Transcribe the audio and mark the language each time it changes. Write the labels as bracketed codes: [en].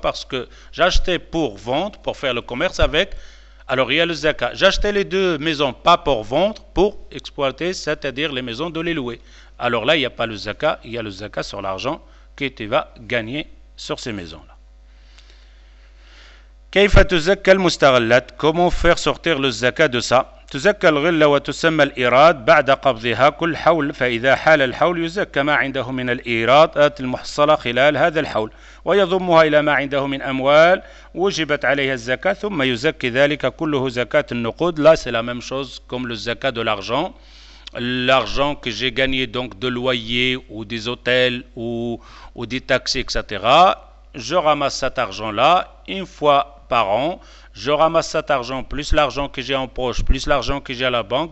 [fr] Parce que j'achetais pour vendre, pour faire le commerce avec. Alors, il y a le zakat. J'achetais les deux maisons, pas pour vendre, pour exploiter, c'est-à-dire les maisons de les louer. Alors là, il n'y a pas le zakat, il y a le zakat sur l'argent que tu vas gagner sur ces maisons-là. [ar] كيف تزكى المستغلات؟ [fr] Comment faire sortir le zakat de ça؟ [ar] تزكى الغلة وتسمى الإيراد بعد قبضها كل حول فإذا حال الحول يزكى ما عنده من الإيرادات المحصلة خلال هذا الحول ويضمها إلى ما عنده من أموال وجبت عليها الزكاة ثم يزكي ذلك كله زكاة النقود. [fr] Là, c'est la même chose comme le zakat de l'argent. L'argent que j'ai gagné donc de loyer ou des hôtels ou des taxis, etc. Je ramasse cet argent-là une fois par an. Je ramasse cet argent, plus l'argent que j'ai en poche, plus l'argent que j'ai à la banque.